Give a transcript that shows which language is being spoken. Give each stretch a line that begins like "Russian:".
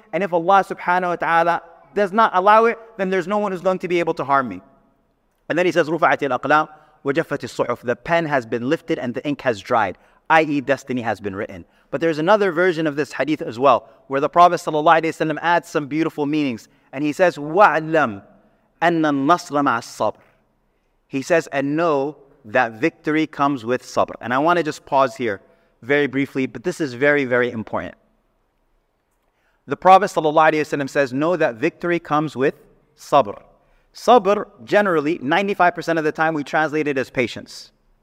English: And if Allah subhanahu wa ta'ala does not allow it, then there's no one who's going to be able to harm me. And then he says,
Arabic: رُفَعَتِ الْأَقْلَامُ وَجَفَّتِ الصُّحُفُ.
English: The pen has been lifted and the ink has dried, i.e. destiny has been written. But there's another version of this hadith as well, where the Prophet sallallahu alayhi wa sallam adds some beautiful meanings.
Arabic: And he says, وَعْلَمْ أَنَّ النَّصْرَ مَعَ الصَّبْرِ.
English: He says, and know that victory comes with sabr. And I want to just pause here very briefly, but this is very, very important. The Prophet sallallahu alayhi wa sallam says, know that victory comes with sabr. Sabr, generally, 95% of the time we translate it as patience.